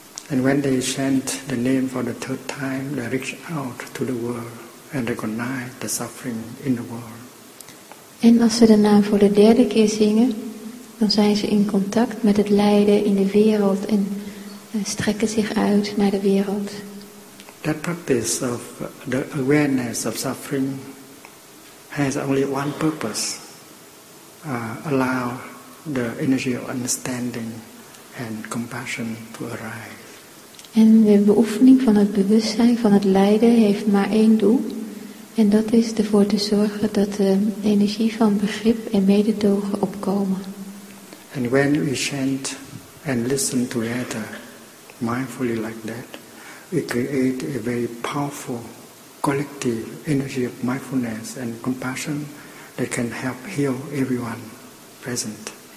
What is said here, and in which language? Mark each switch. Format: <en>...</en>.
<en>And when they chant the name for the third time, they reach out to the world and recognize the suffering in the world.</en> <nl>En als ze de naam voor de derde keer zingen, dan zijn ze in contact met het lijden in de wereld en strekken zich uit naar de wereld.</nl> <en>That practice of the awareness of suffering has only one purpose: allow the energy of understanding and compassion to arise.</en> <nl>En de beoefening van het bewustzijn van het lijden heeft maar één doel. En dat is ervoor te zorgen dat de energie van begrip en mededogen opkomen.</nl> <en>And when we chant and listen together, mindfully like that, we create a very powerful collective energy of mindfulness and compassion that can help heal everyone present.</en>